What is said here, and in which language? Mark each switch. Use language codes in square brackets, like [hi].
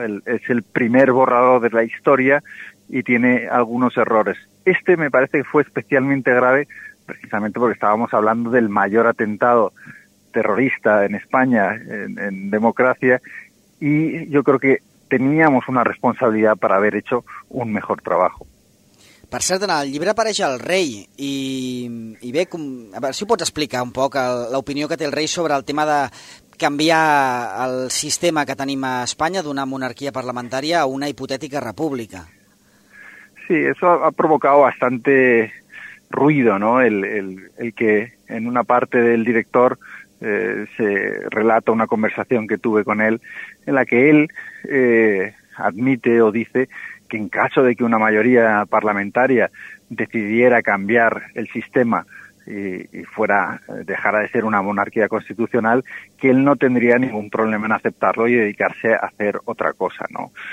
[es] Es el primer borrador de la historia y tiene algunos errores. Este me parece que fue especialmente grave precisamente porque estábamos hablando del mayor atentado terrorista en España, en democracia, y yo creo que teníamos una responsabilidad para haber hecho un mejor trabajo. [ca] Per cert, en el llibre apareix el rei, i bé, com, a veure si ho pots explicar un poc, l'opinió que té el rei sobre el tema de canviar el sistema que tenim a Espanya d'una monarquia parlamentària a una hipotètica república. [es] Sí, eso ha provocado bastante ruido, ¿no? El que en una parte del director se relata una conversación que tuve con él, en la que él admite o dice que en caso de que una mayoría parlamentaria decidiera cambiar el sistema y fuera, dejara de ser una monarquía constitucional, que él no tendría ningún problema en aceptarlo y dedicarse a hacer otra cosa, ¿no?